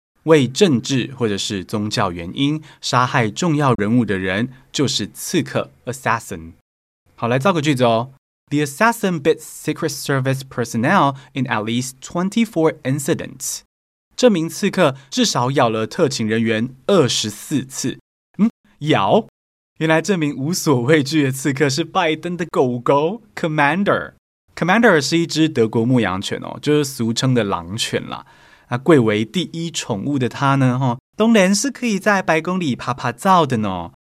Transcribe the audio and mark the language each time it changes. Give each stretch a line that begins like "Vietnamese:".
Chinese: 为政治或者是宗教原因杀害重要人物的人就是刺客 assassin. 好，来造个句子哦。
English: The assassin bit Secret Service personnel in at least 24 incidents.
Chinese: 这名刺客至少咬了特勤人员24次。咬？原来这名无所畏惧的刺客是拜登的狗狗 Commander。 Commander 是一只德国牧羊犬就是俗称的狼犬啦。那贵为第一宠物的他呢当然是可以在白宫里爬爬灶的呢。